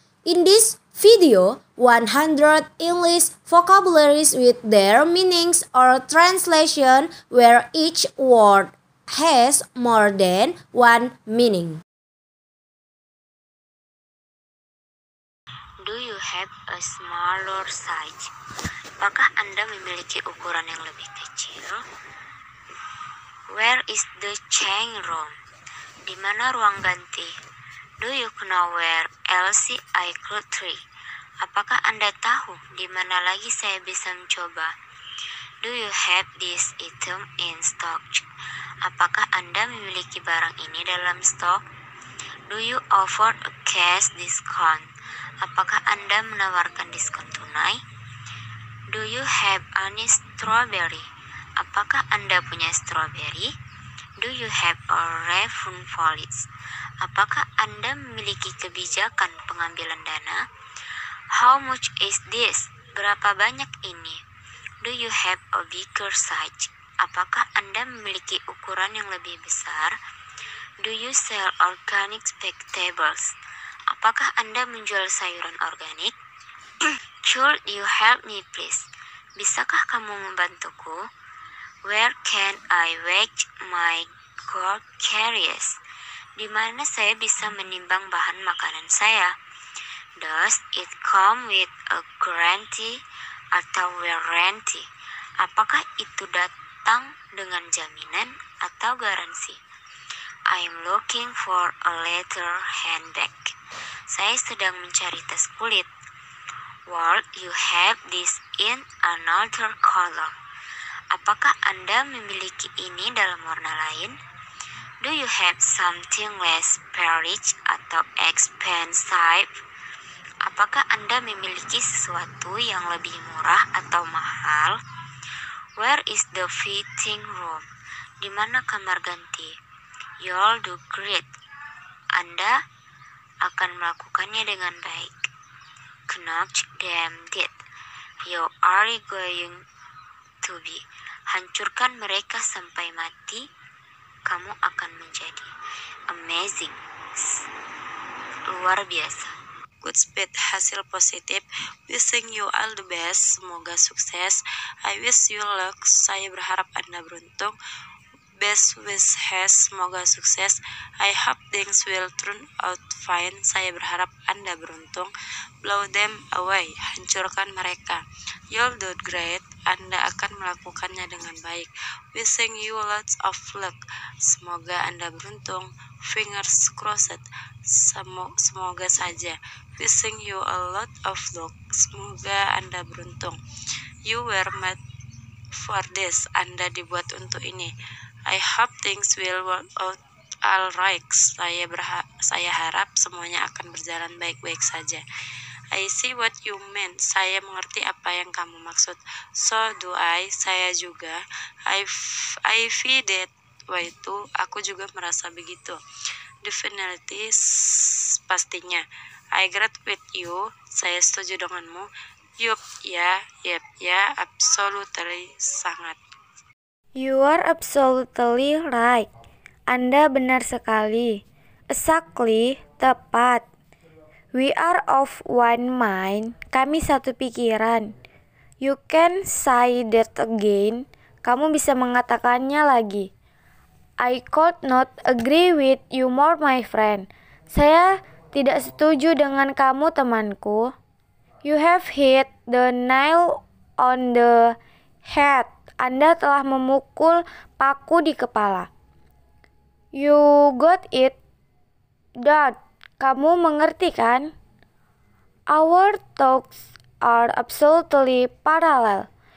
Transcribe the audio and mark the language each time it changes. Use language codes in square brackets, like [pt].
[en] In this video, 100 English vocabularies with their meanings or translation where each word has more than one meaning. Do you have a smaller size? [id] Apakah Anda memiliki ukuran yang lebih kecil? [en] Where is the change room? [id] Di mana ruang ganti? [en] Do you know where LCI Club 3? [id] Apakah Anda tahu di mana lagi saya bisa mencoba? [en] Do you have this item in stock? [id] Apakah Anda memiliki barang ini dalam stok? [en] Do you offer a cash discount? [id] Apakah Anda menawarkan diskon tunai? [en] Do you have any strawberry? [id] Apakah Anda punya strawberry? [en] Do you have a refund policy? [id] Apakah Anda memiliki kebijakan pengambilan dana? [en] How much is this? [id] Berapa banyak ini? [en] Do you have a bigger size? [id] Apakah Anda memiliki ukuran yang lebih besar? [en] Do you sell organic vegetables? [id] Apakah Anda menjual sayuran organik? [en] Could you help me please? [id] Bisakah kamu membantuku? [en] Where can I weigh my gold carriers? [id] Di mana saya bisa menimbang bahan makanan saya? [en] Does it come with a guarantee [id] atau [en] warranty? [id] Apakah itu datang dengan jaminan atau garansi? [en] I'm looking for a leather handbag. [id] Saya sedang mencari tas kulit. [en] Would you have this in another color? [id] Apakah Anda memiliki ini dalam warna lain? [en] Do you have something less perish [id] atau [en] expensive? [id] Apakah Anda memiliki sesuatu yang lebih murah atau mahal? [en] Where is the fitting room? [id] Di mana kamar ganti? [en] You'll do great. [id] Anda akan melakukannya dengan baik. [en] Knock them dead. You are going to be. [id] Hancurkan mereka sampai mati. Kamu akan menjadi amazing. Luar biasa. [en] Good speed, [id] hasil positif. [en] Wishing you all the best. [id] Semoga sukses. [en] I wish you luck. [id] Saya berharap Anda beruntung. [en] Best wishes, [id] semoga sukses. [en] I hope things will turn out fine. [id] Saya berharap Anda beruntung. [en] Blow them away, [id] hancurkan mereka. [en] You'll do great, [id] Anda akan melakukannya dengan baik. [en] Wishing you lots of luck, [id] semoga Anda beruntung. [en] Fingers crossed, [id] semoga saja. [en] Wishing you a lot of luck, [id] semoga Anda beruntung. [en] You were made for this, [id] Anda dibuat untuk ini. [en] I hope things will work out all right. [id] Saya harap semuanya akan berjalan baik-baik saja. [en] I see what you mean. [id] Saya mengerti apa yang kamu maksud. [en] So do I. [id] Saya juga. [en] I feel that way too. [id] Aku juga merasa begitu. [en] Definitely. [id] Pastinya. [en] I agree with you. [id] Saya setuju denganmu. [en] Yup. [id] Ya. [en] Yeah, yep. Ya. Yeah, absolutely. [id] Sangat. [en] You are absolutely right. [id] Anda benar sekali. [en] Exactly, [id] tepat. [en] We are of one mind. [id] Kami satu pikiran. [en] You can say that again. [id] Kamu bisa mengatakannya lagi. [en] I could not agree with you more, my friend. [id] Saya tidak setuju dengan kamu, temanku. [en] You have hit the nail on the head. [id] Anda telah memukul paku di kepala. [en] You got it, Dad. [id] Kamu mengerti kan? [en] Our thoughts are absolutely parallel.